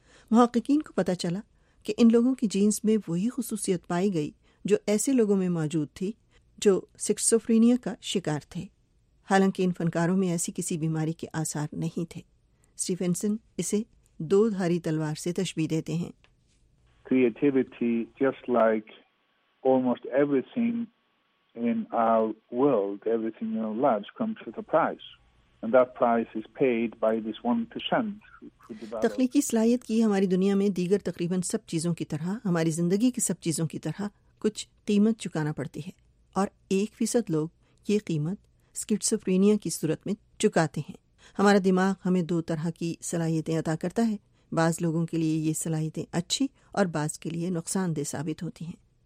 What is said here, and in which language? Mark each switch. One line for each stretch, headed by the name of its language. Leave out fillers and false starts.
Urdu: محققین کو پتہ چلا کہ ان لوگوں کی جینز میں وہی خصوصیت پائی گئی جو ایسے لوگوں میں موجود تھی جو سکسوفرینیا کا شکار تھے، حالانکہ ان فنکاروں میں ایسی کسی بیماری کے آثار نہیں تھے۔ سٹیفنسن اسے دو دھاری تلوار سے تشبیہ دیتے ہیں۔
English: Creativity, just like almost everything in our world, everything in our lives comes with a price. And that price is paid by this 1%.
Urdu: تخلیقی صلاحیت کی ہماری دنیا میں دیگر تقریباً سب چیزوں کی طرح ہماری زندگی کی سب چیزوں کی طرح کچھ قیمت چکانا پڑتی ہے اور 1% لوگ یہ قیمت سکیٹسوفرینیا کی صورت میں چکاتے ہیں. ہمارا دماغ ہمیں دو طرح کی صلاحیتیں عطا کرتا ہے. بعض لوگوں کے لیے یہ صلاحیتیں اچھی اور بعض کے لیے نقصان دہ ثابت ہوتی ہیں.